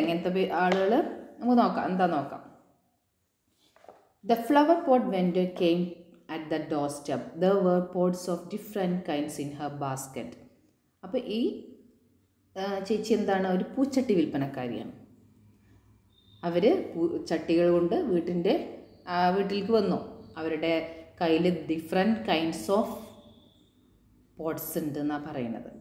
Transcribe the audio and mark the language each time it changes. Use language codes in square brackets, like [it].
[ml] ഇങ്ങനത്തെ ആളുകൾ നമുക്ക് നോക്കാം, എന്താ നോക്കാം. [en] The flower pot vendor came at the doorstep. There were pots of different kinds in her basket. [ml] അപ്പോൾ ഈ ചേച്ചി എന്താണ്, ഒരു പൂച്ചട്ടി വിൽപ്പനക്കാരിയാണ്. അവർ ചട്ടികൾ കൊണ്ട് വീട്ടിലേക്ക് വന്നു. അവരുടെ കയ്യിൽ [en] different kinds of pots [ml] ഉണ്ട് എന്നാണ് പറയുന്നത്.